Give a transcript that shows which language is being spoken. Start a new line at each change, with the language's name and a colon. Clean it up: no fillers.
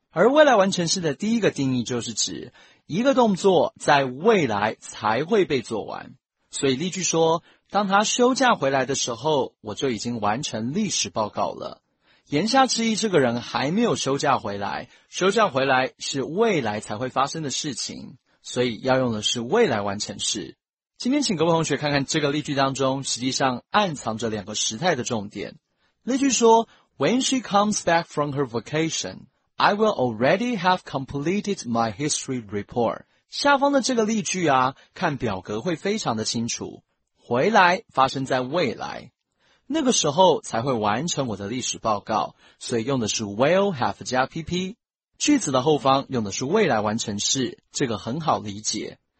Chinese: 而未来完成式的第一个定义就是指一个动作在未来才会被做完，所以例句说当他休假回来的时候我就已经完成历史报告了，言下之意这个人还没有休假回来，休假回来是未来才会发生的事情，所以要用的是未来完成式。今天请各位同学看看这个例句当中实际上暗藏着两个时态的重点。例句说
English: When she comes back from her vacation, I will already have completed my history report.
Chinese: 下方的这个例句啊，看表格会非常的清楚。回来发生在未来，那个时候才会完成我的历史报告，所以用的是 will have 加 PP。句子的后方用的是未来完成式，这个很好理解。